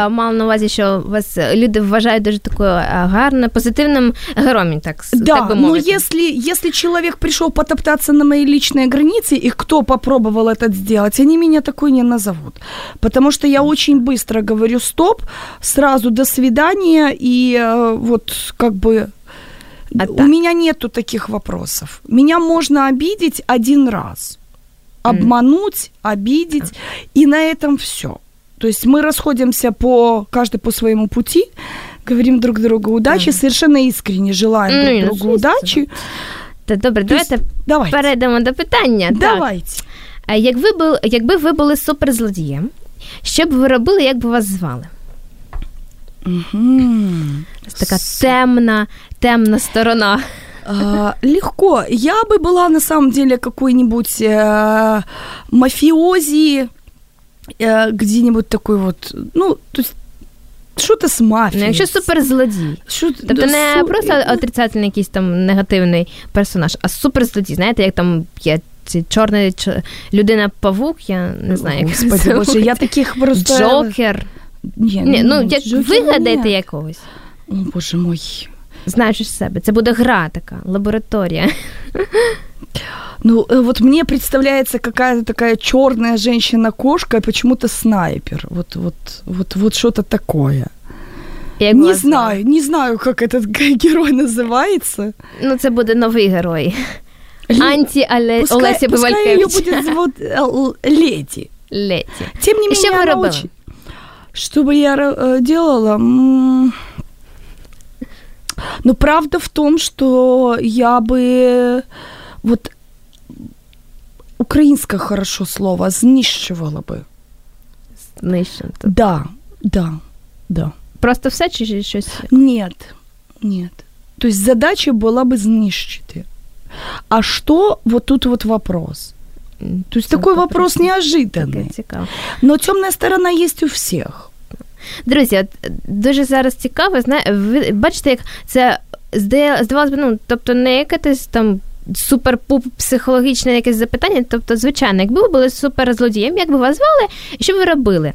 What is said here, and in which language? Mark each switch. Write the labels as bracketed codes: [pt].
[uk] Я мала на увазі, що вас люди вважають дуже такою гарною, позитивним героєм, так би мовити. [ru] Да, но если человек пришел потоптаться на мои личные границы, и кто попробовал это сделать, они меня такой не назовут. Потому что я очень быстро говорю «стоп», сразу «до свидания», и вот как бы... У меня нету таких вопросов. Меня можно обидеть один раз. Обмануть, обидеть. И на этом все. То есть мы расходимся каждый по своему пути, говорим друг другу удачи, совершенно искренне желаем друг другу удачи. [uk] Так, добре, давайте перейдемо до питання. Давайте. Якби ви були суперзлодієм, що б ви робили, як би вас звали? Угу. Така темна сторона. Легко. [ru] Я бы была на самом деле какой-нибудь мафиози, где-нибудь такой вот, ну, то есть что-то с мафией. [uk] Ну, якщо суперзлодій. Тобто не просто отрицательный якийсь там негативний персонаж, а суперзлодій. Знаєте, як там є чорний людина-павук, я не знаю, як Господи, це Боже, я таких просто... Джокер. Ні, ну, як вигадайте якогось. [ru] О, Боже мой. [uk] Знаєш себе, це буде гра така, лабораторія. [ru] Ну, вот мне представляется какая-то такая чёрная женщина-кошка, а почему-то снайпер. Вот что-то такое. Я не знаю, не знаю, как этот герой называется. [uk] Ну, це буде новий герой. Анти-Олеся [ru] Пускай её будет звать Леди. Леди. Тем не менее, она очень... Что бы я делала? Ну, правда в том, что я бы... Вот... [uk] Українське хорошо слово знищувала би. Знищувала. Так, да, да, да. Просто все чи щось? Ні. Ні. Тобто задача була б знищити. А що? [ru] Вот тут вот вопрос. [uk] Тобто такий [ru] вопрос неожиданный. [uk] Так, цікаво. Но темна сторона є у всіх. Друзі, от дуже зараз цікаво, ви бачите, як це здавалось би, ну, тобто не якесь там супер-пуп психологічне якесь запитання, тобто, звичайно, якби ви були супер-злодієм, як би вас звали, і що ви робили?